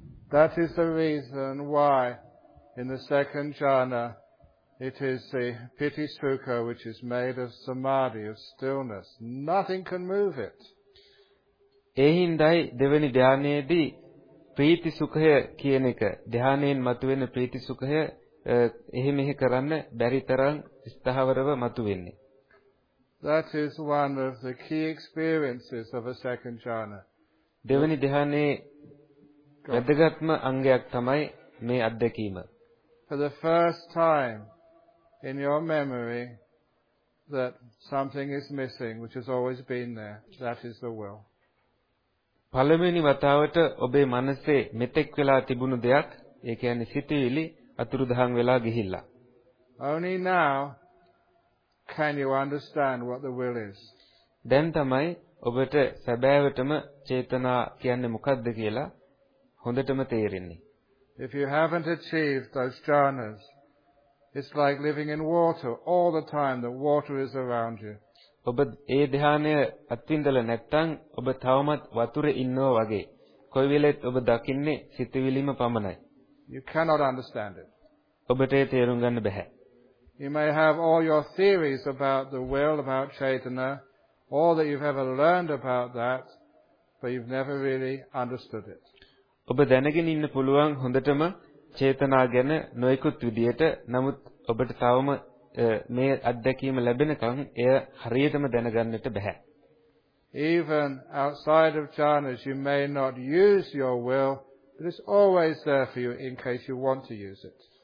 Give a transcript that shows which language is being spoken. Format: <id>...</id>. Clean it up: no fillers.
<en>That is the reason why in the second jhana it is the piti sukha which is made of samadhi, of stillness. Nothing can move it.</en> <si>ඒ හින්දායි දෙවෙනි ධානයේදී ප්‍රීති සුඛය කියන එක ධානයෙන් මතුවෙන ප්‍රීති සුඛය එහෙම එහෙ කරන්න බැරි තරම් ස්ථාවරව මතුවෙන්නේ.</si> <en>That is one of the key experiences of a second jhana.</en> <si>දෙවෙනි ධානයේ වැදගත්ම අංගයක් තමයි මේ අත්දැකීම.</si> <en>For the first time in your memory that something is missing which has always been there, that is the will.</en> <si>පළවෙනි වතාවට ඔබේ මනසේ මෙතෙක් වෙලා තිබුණු දෙයක්, ඒ කියන්නේ සිතුවිලි අතුරුදහන් වෙලා ගිහිල්ලා.</si> <en>Only now can you understand what the will is.</en> <si>දැන් තමයි ඔබට සැබෑවටම චේතනා කියන්නේ මොකද්ද කියලා හොඳටම තේරෙන්නේ.</si> <en>If you haven't achieved those jhanas, it's like living in water all the time, the water is around you.</en> <si>ඔබ ඒ ධ්‍යානය අත්විඳලා නැත්නම් ඔබ තවමත් වතුරේ ඉන්නවා වගේ. කොයි වෙලෙත් ඔබ දකින්නේ සිතුවිලිම පමණයි.</si> <en>You cannot understand it.</en> <si>ඔබට ඒ තේරුම් ගන්න බැහැ.</si> <en>You may have all your theories about the will, about Chaitanya, all that you've ever learned about that, but you've never really understood it.</en> <si>ඔබ දැනගෙන ඉන්න පුළුවන් හොඳටම චේතනා ගැන නොයෙකුත් විදියට, නමුත් ඔබට තවම මේ අත්දැකීම ලැබෙනකන් එය හරියටම දැනගන්නට බෑ.</si> <en>Even outside of jhanas you may not use your will, but it's always there for you in case you want to use it.</en>